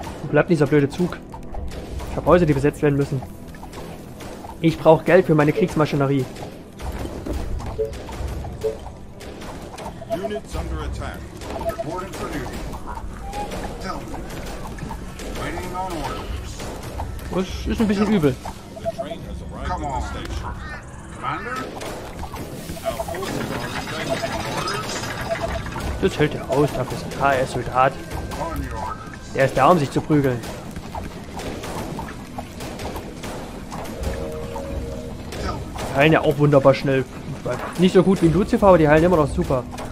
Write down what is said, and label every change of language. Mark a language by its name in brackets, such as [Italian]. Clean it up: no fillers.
[German] Bleibt dieser blöde Zug. Ich habe Häuser, die besetzt werden müssen. Ich brauche Geld für meine Kriegsmaschinerie. [English] Units under attack. Reporting for duty. Tell me. Waiting on orders. [German] Das ist ein bisschen übel. [English] The train has arrived at the station. Commander? Our forces are expecting orders. [German] Das hält der aus, dafür ist ein KS-Soldat. Er ist da, um sich zu prügeln. Die heilen ja auch wunderbar schnell. Nicht so gut wie Lucifer, aber die heilen immer noch super.